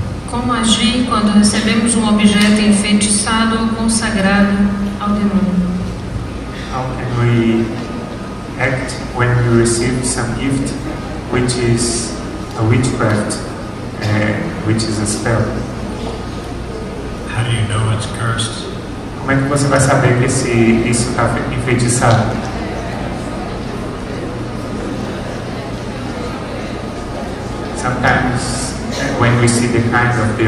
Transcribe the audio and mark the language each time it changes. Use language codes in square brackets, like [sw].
[pt] Como agir quando recebemos um objeto enfeitiçado ou consagrado ao demônio? [en] How can we act when we receive some gift which is a witchcraft? Which is a spell. How do you know it's cursed? [pt] Como é que você vai saber que isso está enfeitiçado? [en] Sometimes when we see the kind of the